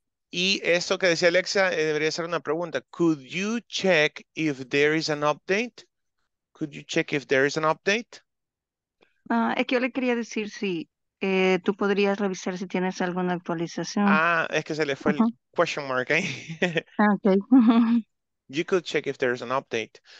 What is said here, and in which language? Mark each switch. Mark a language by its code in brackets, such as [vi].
[es] Y esto que decía Alexa debería ser una pregunta. [en] Could you check if there is an update? Could you check if there is an update? [es] Es que yo le quería decir si tú podrías revisar si tienes alguna actualización. Ah, es que se le fue uh-huh. el question mark ahí. [en] Okay. You could check if there is an update.